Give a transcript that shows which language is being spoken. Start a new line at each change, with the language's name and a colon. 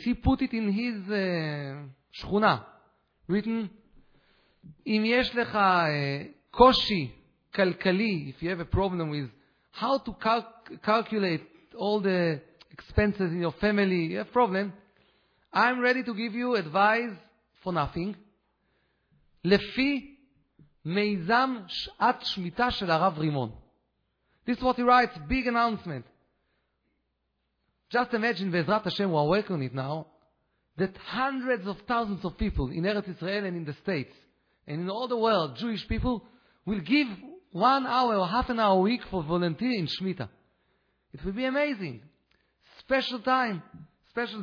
English: He put it in his shchuna, written,
Hebrew: אם יש לך קושי כלכלי,
English: if you have a problem with how to calculate all the expenses in your family, you have a problem, I'm ready to give you advice for nothing.
Hebrew: לפי מיזם שעת שמיטה של הרב רימון.
English: This is what he writes, big announcement. Just imagine, בעזרת השם, we are working on it now, that hundreds of thousands of people in Eretz Israel and in the States and in all the world, Jewish people, will give 1 hour or half an hour a week for volunteer in Shemitah. It will be amazing. Special time. Special.